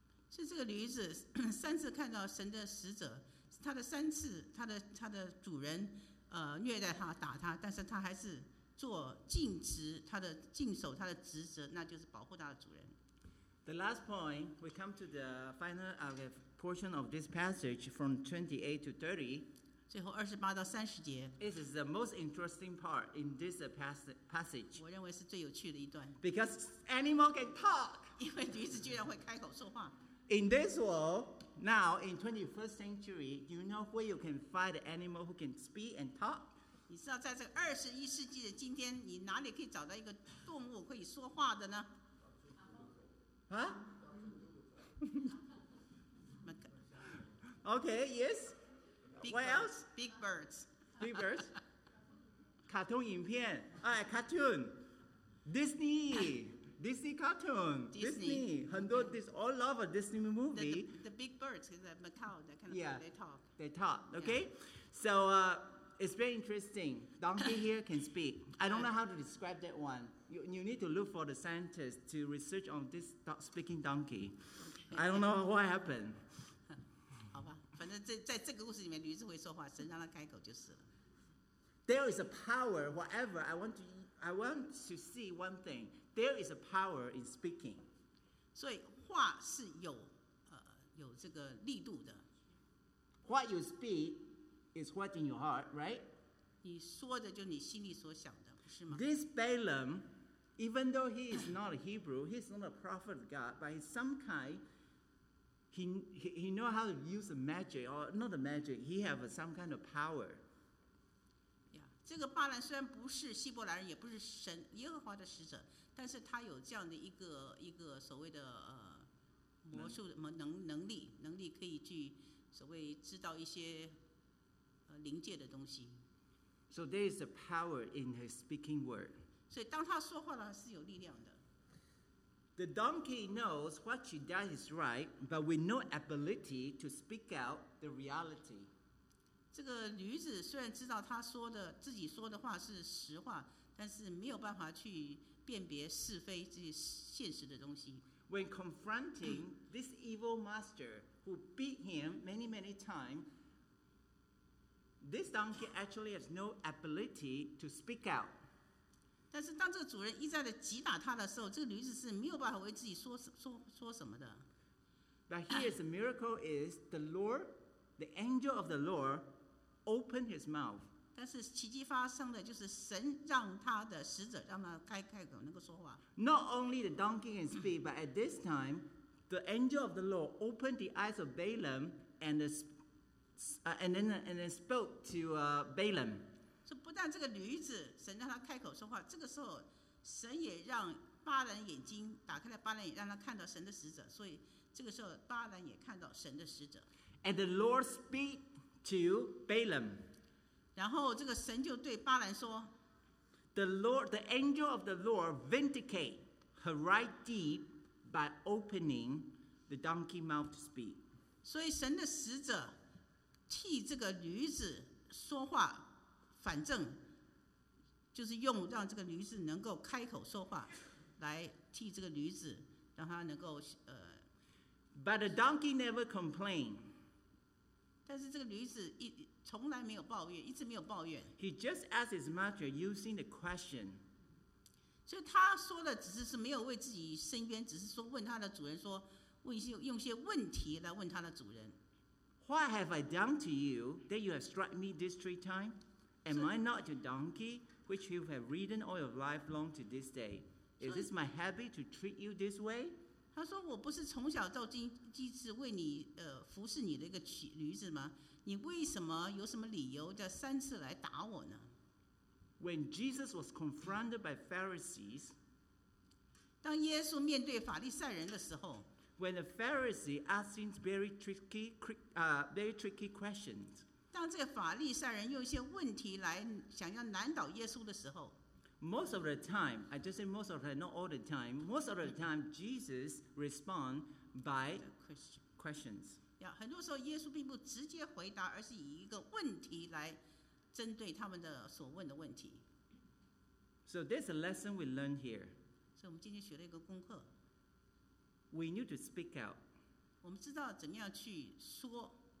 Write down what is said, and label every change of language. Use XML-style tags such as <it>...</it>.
<zh>是这个驴子三次看到神的使者。他的三次他的主人虐待他打他，但是他还是做尽职，他的尽守他的职责，那就是保护他的主人。</zh> <en>The last point, we come to the final portion of this passage from 28 to 30.</en> <zh>最后28到30节。</zh> <en>This is the most interesting part in this passage.</en> <zh>我认为是最有趣的一段。</zh> <en>Because animal can talk.</en> <zh>因为驴子居然会开口说话。</zh> <en>In this world, now in 21st century, do you know where you can find an animal who can speak and talk?</en> <zh>你知道在这二十一世纪的今天，你哪里可以找到一个动物可以说话的呢？啊？</zh> <en>Okay, yes. What else? Big birds. Big birds.</en> <zh>卡通影片，</zh> <en>哎 ，cartoon, Disney. Disney cartoon, Disney.</en> <zh>很多</zh> <en>this all of a Disney movie. The big birds, the macaw, that kind of yeah, thing. They talk. They talk. Okay. Yeah. So it's very interesting. Donkey here can speak. I don't know how to describe that one. You need to look for the scientist to research on this speaking donkey. I don't know what happened.</en> <zh>好吧，反正在这个故事里面，驴子会说话，神让它开口就是了。</zh> <en>There is a power. Whatever I want to see one thing. There is a power in speaking.</en> <zh>所以话是有这个力度的。</zh> <en>What you speak is what's in your heart, right?</en> <zh>你说的就是你心里所想的，不是吗？</zh> <en>This Balaam, even though he is not a Hebrew, he is not a prophet of God, but in some kind, he know how to use a magic, or not the magic, he have some kind of power.</en> <zh>这个巴兰虽然不是希伯来人，也不是神耶和华的使者，但是他有这样的一个所谓的魔术的能力，可以去所谓知道一些灵界的东西。</zh> <en>So there is a power in his speaking word.</en> <zh>所以当他说话了是有力量的。</zh> <en>The donkey knows what she does is right, but with no ability to speak out the reality.</en> <zh>这个驴子虽然知道他说的自己说的话是实话，但是没有办法去辨别是非这些现实的东西。</zh> <en>When confronting this evil master who beat him many many times, this donkey actually has no ability to speak out.</en> <zh>但是当这个主人一再的击打他的时候，这个驴子是没有办法为自己说什么的。</zh> <en>But here's a miracle: is the Lord, the angel of the Lord. Open his mouth.</en> <zh>但是奇迹发生的就是神让他的使者让他开口能够说话。</zh> <en>Not only the donkey can speak, but at this time, the angel of the Lord opened the eyes of Balaam and then spoke to Balaam.</en> <zh>不但这个驴子神让他开口说话，这个时候神也让巴兰眼睛打开了，巴兰也让他看到神的使者，所以这个时候巴兰也看到神的使者。</zh> <en>And the Lord speak to Balaam.</en> <zh>然后这个神就对巴兰说</zh> <en>The angel of the Lord vindicate her right deed by opening the donkey mouth to speak.</en> <zh>所以神的使者替这个驴子说话，反正就是用让这个驴子能够开口说话，来替这个驴子让他能够</zh> <en>But the donkey never complained.</en> <zh>但是这个驴子从来没有抱怨，一直没有抱怨。</zh> <en>He just asked his master using the question.</en> <zh>所以他说的只是没有为自己伸冤，只是说问他的主人说，用一些问题来问他的主人。</zh> <en>What have I done to you that you have struck me this three times? Am I not your donkey, which you have ridden all your life long to this day? Is this my habit to treat you this way?</en> <zh>他说我不是从小到今一直为你服侍你的一个驴子吗？你为什么有什么理由叫三次来打我呢？</zh> <en>When Jesus was confronted by Pharisees,</en> <zh>当耶稣面对法利赛人的时候，</zh> <en>When the Pharisee asked him very tricky questions,</en> <zh>当这个法利赛人用一些问题来想要难倒耶稣的时候，</zh> <en>Most of the time, I just say most of the time, not all the time, most of the time, Jesus responds by questions.</en> <zh>Yeah, 很多时候耶稣并不直接回答，而是以一个问题来针对他们的所问的问题。</zh> <en>So there's a lesson we learned here.</en> <zh>所以我们今天学了一个功课。</zh> <en>We need to speak out.</en> <zh>我们知道怎么样去说。</zh>